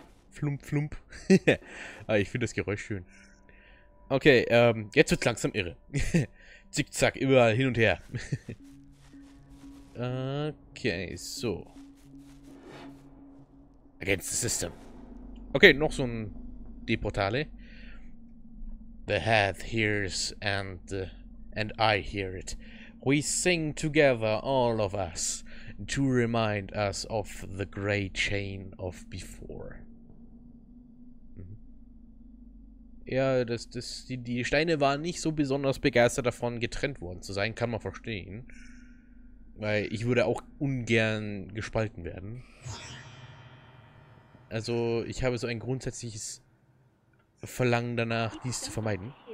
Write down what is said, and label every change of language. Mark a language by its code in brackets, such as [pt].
[de] Flump, flump. Ah, ich finde das Geräusch schön. Okay, jetzt wird es langsam irre. Zick, zack, überall hin und her. Okay, so. [en] Against the system. [de] Okay, noch so ein D-Portale. [en] The Head hears and I hear it. We sing together, all of us, to remind us of the gray chain of before. Mhm. [de] Ja, die Steine waren nicht so besonders begeistert davon, getrennt worden zu sein, kann man verstehen. Weil ich würde auch ungern gespalten werden. Also, ich habe so ein grundsätzliches Verlangen danach, dies zu vermeiden.